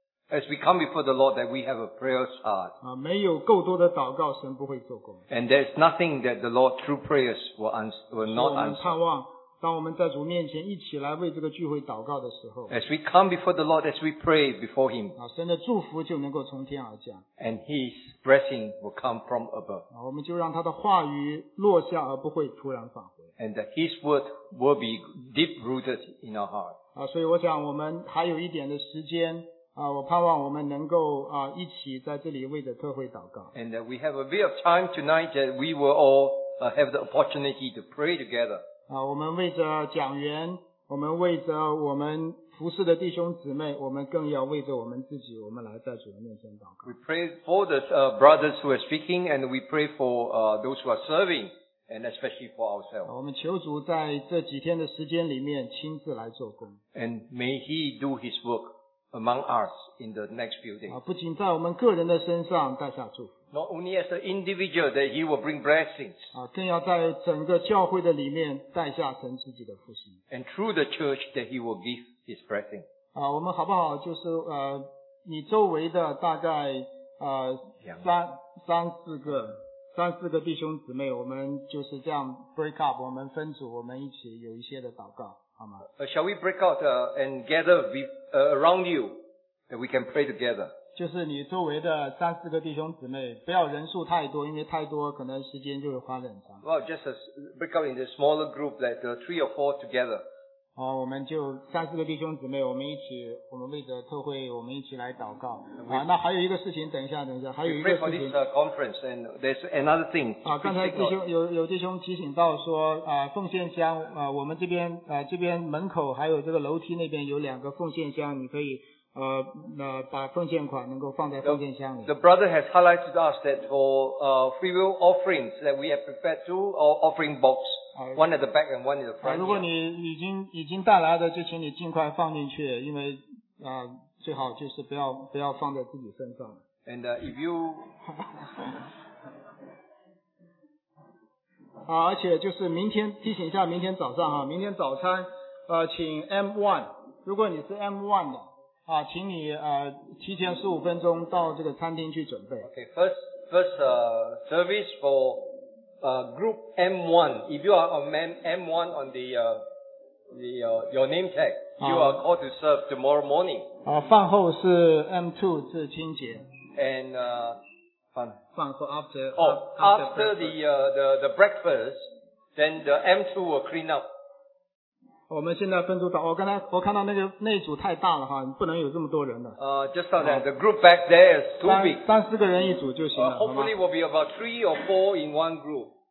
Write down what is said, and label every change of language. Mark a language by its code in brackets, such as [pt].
[en] As we come before the Lord, that we have a prayer's heart. [zh] 没有够多的祷告，神不会做工。 [en] And there's nothing that the Lord through prayers will not answer. [zh] 我们盼望，当我们在主面前一起来为这个聚会祷告的时候 [en] ，As we come before the Lord, as we pray before Him. [zh] 神的祝福就能够从天而降。 [en] And His blessing will come from above. [zh] 我们就让他的话语落下，而不会突然返回。 [en] And that His word will be deep rooted in our heart. [zh] 所以我想我们还有一点的时间。我盼望我们能够一起在这里为着特会祷告。 [en] And we have a bit of time tonight that we will all have the opportunity to pray together. [zh] 我们为着讲员，我们为着我们服侍的弟兄姊妹，我们更要为着我们自己，我们来在主的面前祷告。 [en] We pray for the brothers who are speaking, and we pray for those who are serving and especially for ourselves. [zh] 我们求主在这几天的时间里面亲自来做工。 [en] And may He do His work among us in the next few days. [zh] 不仅在我们个人的身上带下祝福。 [en] Not only as an individual that He will bring blessings. [zh] 更要在整个教会的里面带下神自己的复兴。 [en] And through the church that He will give His blessing. [zh] 我们好不好就是你周围的大概三四个弟兄姊妹，我们就是这样 [en] break up， [zh] 我们分组，我们一起有一些的祷告，好吗？ [en] Shall we break out and gather around you that we can pray together？ [zh] 就是你周围的三四个弟兄姊妹，不要人数太多，因为太多可能时间就会花得很长。 [en] Well, just break out in the smaller group, like the three or four together. [zh] 好，我们就三四个弟兄姊妹，我们一起，我们为着特会，我们一起来祷告。那还有一个事情，等一下，还有一个事情。 [en] We pray for this conference, and there's another thing. [zh] 刚才弟兄提醒到说，奉献箱，我们这边门口还有这个楼梯那边有两个奉献箱，你可以把奉献款能够放在奉献箱里。 [en] The brother has highlighted us that for free will offerings that we have prepared two offering boxes. One at the back and one at the front. [zh] 如果你已经带来的，就请你尽快放进去，因为最好就是不要放在自己身上。 [en] And if you [zh] 而且就是明天提醒一下，明天早上哈，明天早餐请 M1， 如果你是 M1 的。请你提前15分钟到这个餐厅去准备。 [en] Okay, first service for group M1. If you are on M1 on your name tag, you are called to serve tomorrow morning. [zh] 饭后是 M2 是清洁。 [en] And [zh] 饭后 [en] after after the breakfast, then the M2 will clean up. [zh] 我们现在分组到，刚才我看到那组太大了哈，不能有这么多人的。 [en] Just like that, the group back there is too big. [zh] 三四个人一组就行了。 [en] Hopefully, will be about three or four in one group.